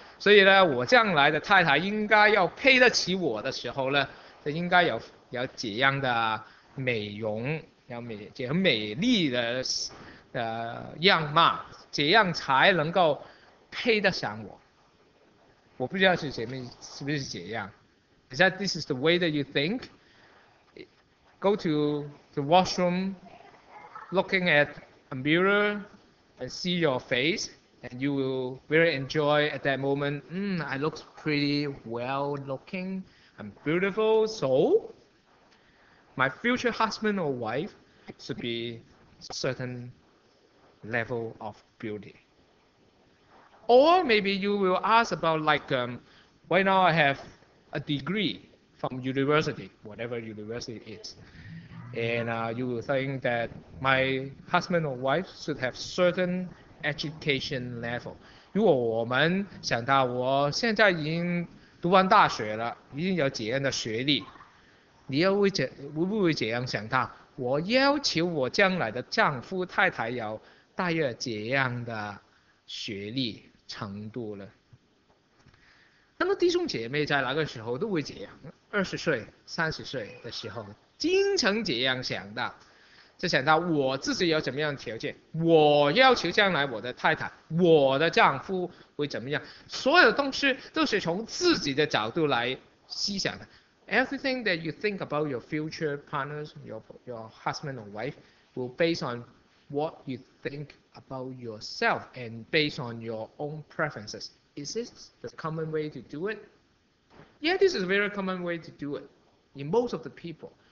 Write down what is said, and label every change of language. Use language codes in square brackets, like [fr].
[zh] 所以呢，我将来的太太应该要配得起我的时候呢，就应该有这样的美容，要美，这很美丽的样貌，这样才能够配得上我。我不知道是前面是不是这样。 [en] Is that this is the way that you think? Go to the washroom, looking at a mirror, and see your face, and you will very enjoy at that moment. I look pretty well looking. I'm beautiful. So, my future husband or wife should be certain level of beauty. Or maybe you will ask about why now I have a degree from university, whatever university is. And you will think that my husband or wife should have certain education level. [zh] 如果我们想到我现在已经读完大学了，已经有这样的学历，你又会怎，会不会这样想到？我要求我将来的丈夫太太有大约这样的学历程度了。那么弟兄姐妹在那个时候都会这样，20岁、30岁的时候，经常这样想的，就想到我自己有怎么样的条件，我要求将来我的太太、我的丈夫会怎么样，所有东西都是从自己的角度来思想的。 [en] Everything that you think about your future partners, your husband or wife, will based on what you think about yourself and based on your own preferences. Is this the common way to do it? Yeah, this is a very common way to do it in most of the people.